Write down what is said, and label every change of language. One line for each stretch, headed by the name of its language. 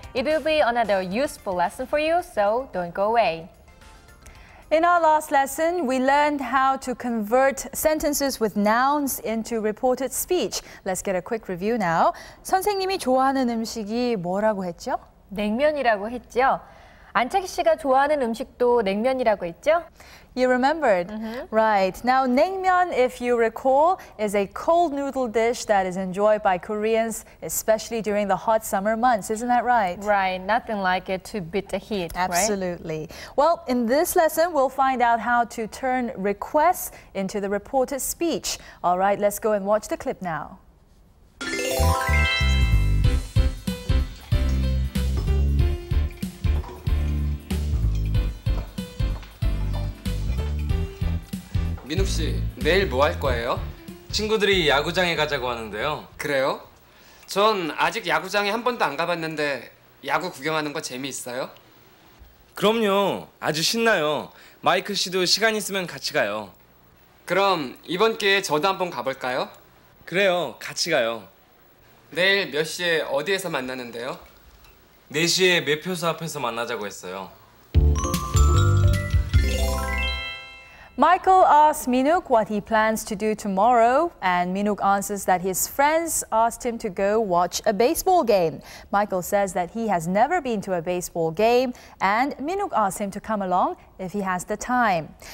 English: It will be another useful lesson for you, so don't go away. In our last lesson, we learned how to convert sentences with nouns into reported speech. Let's get a quick review now.
Korean: 선생님이 좋아하는 음식이 뭐라고 했죠? 냉면이라고 했죠. 안차기 씨가 좋아하는 음식도 냉면이라고 했죠?
English: You remembered. Mm-hmm. Right. Now, 냉면, if you recall, is a cold noodle dish that is enjoyed by Koreans, especially during the hot summer months. Isn't that right? Right. Nothing like it to beat the heat, Absolutely. Right? Well, in this lesson, we'll find out how to turn requests into the reported speech. All right, let's go and watch the clip now.
Korean: 민욱 씨, 내일 뭐 할 거예요? 친구들이 야구장에 가자고 하는데요. 그래요? 전 아직 야구장에 한 번도 안 가봤는데 야구 구경하는 거 재미있어요? 그럼요. 아주 신나요. 마이클 씨도 시간 있으면 같이 가요. 그럼 이번 기회에 저도 한번 가볼까요? 그래요. 같이 가요. 내일 몇 시에 어디에서 만나는데요? 4시에 매표소 앞에서 만나자고 했어요.
English: Michael asks Minook what he plans to do tomorrow, and Minook answers that his friends asked him to go watch a baseball game. Michael says that he has never been to a baseball game, and Minook asks him to come along if he has the time.